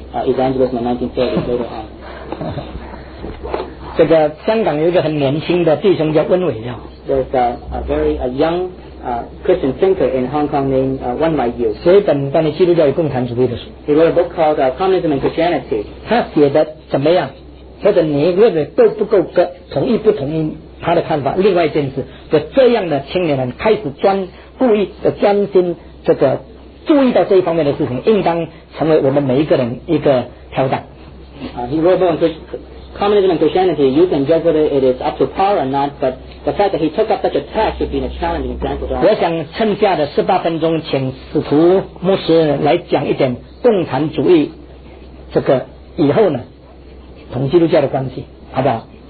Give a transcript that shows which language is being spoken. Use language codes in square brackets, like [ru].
[en] evangelist in the 1930s later on. [zh] 这个香港有一个很年轻的弟兄叫温伟耀。 [en] There's a very young Christian thinker in Hong Kong named Wen Weiyu. [zh] 写一本关于基督教与共产主义的书。 [en] He wrote a book called Communism and Christianity. [zh] 他写的怎么样？或者你认为够不够格？同意不同意他的看法？另外一件事，就这样的青年人开始故意的专心。这个注意到这一方面的事情，应当成为我们每一个人一个挑战。 [en] He wrote on communism and Christianity. You can judge whether it is up to par or not, but the fact that he took up such a task should be a challenging example. [zh] 我想剩下的十八分钟，请使徒牧师来讲一点共产主义这个以后呢，同基督教的关系，好不好？